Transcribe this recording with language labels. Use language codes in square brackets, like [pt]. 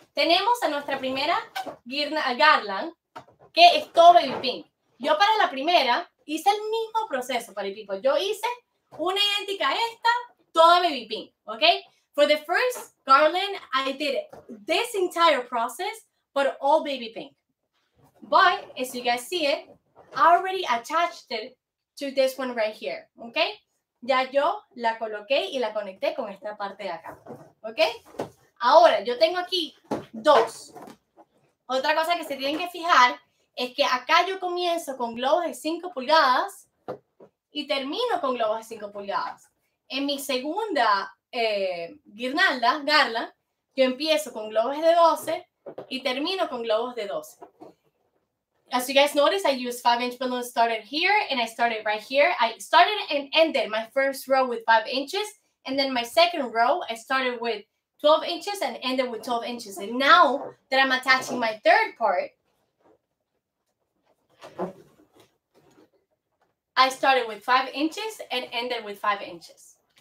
[es] Tenemos a nuestra primera garland, que es todo baby pink. Yo para la primera, hice el mismo proceso para el tipo. Yo hice una idéntica a esta, toda baby pink, ¿ok? [en] For the first garland, I did this entire process, but all baby pink. But, as you guys see it, I already attached it to this one right here, ¿ok? [es] Ya yo la coloqué y la conecté con esta parte de acá, ¿ok? Ahora, yo tengo aquí dos. Otra cosa que se tienen que fijar es que acá yo comienzo con globos de 5 pulgadas y termino con globos de 5 pulgadas. En mi segunda garland, yo empiezo con globos de 12 y termino con globos de 12. [en] As you guys notice, I used 5-inch balloons started here and I started right here. I started and ended my first row with 5 inches and then my second row, I started with 12 inches and ended with 12 inches. And now that I'm attaching my third part, I started with 5 inches and ended with 5 inches.